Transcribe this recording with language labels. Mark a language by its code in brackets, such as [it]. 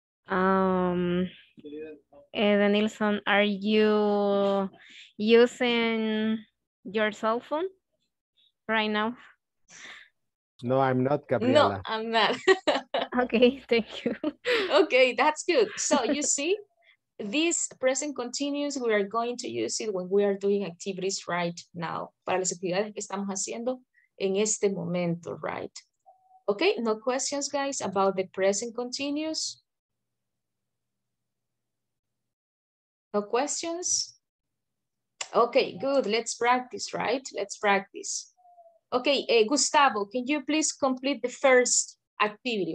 [en] Eden Nilsson, are you using your cell phone right now? No, I'm not, Gabriela. No, I'm not. Okay, thank you. Okay, that's good. So you see, this present continuous, we are going to use it when we are doing activities right now. [es] Para las actividades que estamos haciendo en este momento, right? [en] Okay, no questions, guys, about the present continuous? No questions? Okay, good. Let's practice, right? Let's practice. Okay, Gustavo, can you please complete the first activity?